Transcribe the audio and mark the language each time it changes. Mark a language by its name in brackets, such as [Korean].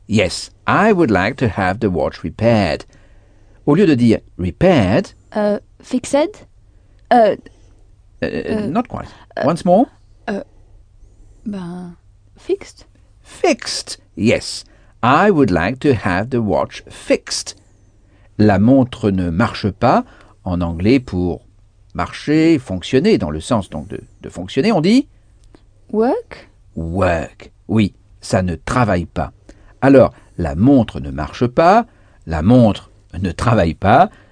[English] Yes, I would like to have the watch repaired. [French] Au lieu de dire repaired... [English] Fixed? Not quite. Once more. Fixed. Fixed, yes. I would like to have the watch fixed. [French] La montre ne marche pas. En anglais, pour marcher, fonctionner, dans le sens donc de fonctionner, on dit... [English] Work. [French] Work. Oui, ça ne travaille pas. Alors, la montre ne marche pas. La montre ne travaille pas.